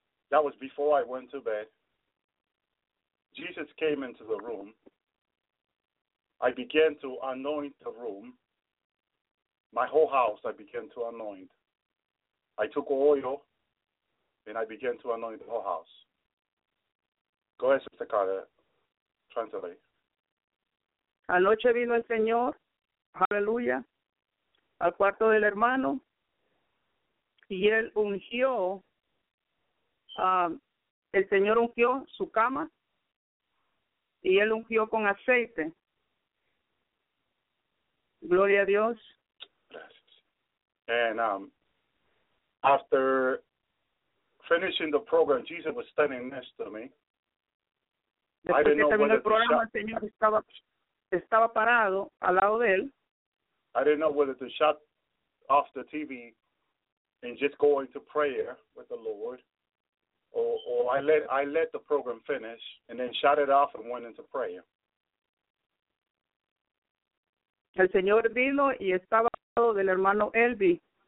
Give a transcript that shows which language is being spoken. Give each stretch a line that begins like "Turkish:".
English: That was before I went to bed. Jesus came into the room. I began to anoint the room. My whole house, I began to anoint. I took oil, and I began to anoint the whole house. Go ahead, Sister Carter. Translate.
Spanish: Anoche vino el Señor, aleluya, al cuarto del hermano, y él ungió, el Señor ungió su cama, y él ungió con aceite. Gloria a Dios. Gracias.
English: And after finishing the program, Jesus was standing next to me.
Spanish: Después que terminó el programa, el Señor estaba... Estaba parado al lado de él.
English: I didn't know whether to shut off the TV and just go into prayer with the Lord, or I let the program finish and then shut it off and went into prayer.
Spanish: El Señor vino y estaba al lado del hermano Elby.